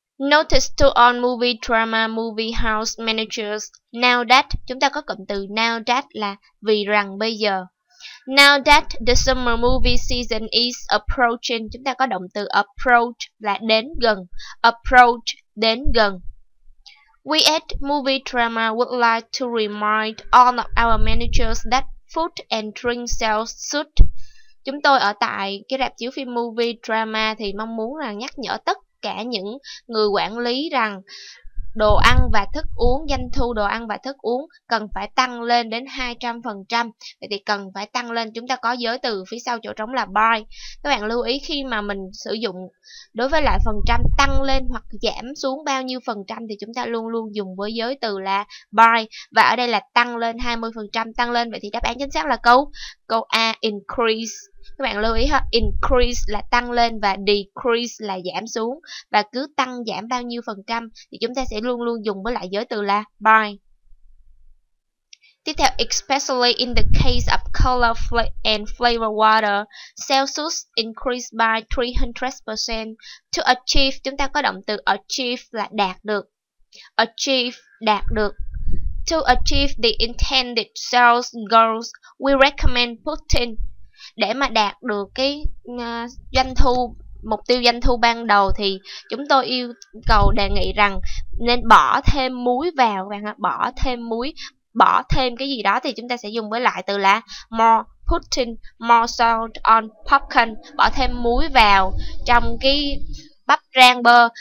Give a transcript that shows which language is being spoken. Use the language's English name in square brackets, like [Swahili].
[English] Notice to all movie drama movie house managers, now that, [Vietnamese] chúng ta có cụm từ now that là vì rằng bây giờ. [English] Now that the summer movie season is approaching, [Vietnamese] chúng ta có động từ approach là đến gần. Approach, đến gần. [English] We at movie drama would like to remind all of our managers that food and drink sales should. [Vietnamese] Chúng tôi ở tại cái rạp chiếu phim movie drama thì mong muốn là nhắc nhở tất cả những người quản lý rằng đồ ăn và thức uống, doanh thu đồ ăn và thức uống cần phải tăng lên đến 200%. Vậy thì cần phải tăng lên, chúng ta có giới từ phía sau chỗ trống là by. Các bạn lưu ý khi mà mình sử dụng đối với lại phần trăm tăng lên hoặc giảm xuống bao nhiêu phần trăm thì chúng ta luôn luôn dùng với giới từ là by. Và ở đây là tăng lên 20%, tăng lên, vậy thì đáp án chính xác là câu A, increase. Các bạn lưu ý ha, increase là tăng lên và decrease là giảm xuống. Và cứ tăng giảm bao nhiêu phần trăm thì chúng ta sẽ luôn luôn dùng với lại giới từ là by. Tiếp theo, [English] especially in the case of color and flavor water, sales increased by 300% to achieve. [Vietnamese] Chúng ta có động từ achieve là đạt được. Achieve, đạt được. [English] To achieve the intended sales goals, we recommend putting. [Vietnamese] Để mà đạt được cái doanh thu, mục tiêu doanh thu ban đầu thì chúng tôi yêu cầu đề nghị rằng nên bỏ thêm muối vào các bạn ha. Bỏ thêm muối, bỏ thêm cái gì đó thì chúng ta sẽ dùng với lại từ là more, [English] putting more salt on popcorn. [Vietnamese] Bỏ thêm muối vào trong cái rang bơ.